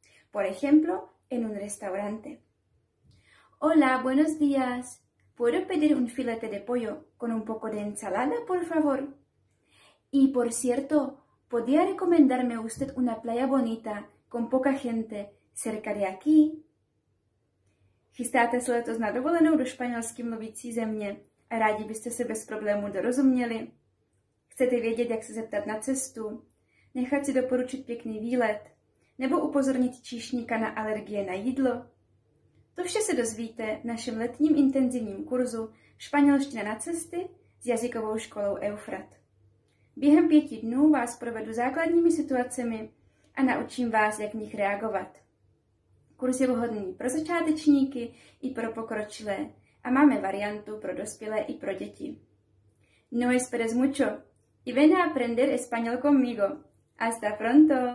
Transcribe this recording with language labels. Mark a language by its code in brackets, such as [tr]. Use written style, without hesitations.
[es] Por ejemplo, en un restaurante. Hola, buenos días. ¿Puedo pedir un filete de pollo con un poco de ensalada, por favor? Y por cierto, ¿podría recomendarme usted una playa bonita con poca gente cerca de aquí? [cs] Chystáte sa letos na dovolenú do španielsky mluvící země? A rádi byste se bez problémů dorozuměli? Chcete vědět, jak se zeptat na cestu? Nechat si doporučit pěkný výlet? Nebo upozornit číšníka na alergie na jídlo? To vše se dozvíte v našem letním intenzivním kurzu Španělština na cesty s jazykovou školou Eufrat. Během 5 dnů vás provedu základními situacemi a naučím vás, jak v nich reagovat. Kurz je vhodný pro začátečníky i pro pokročilé a máme variantu pro dospělé i pro děti. [es] No esperes mucho y ven a aprender español conmigo. Hasta pronto!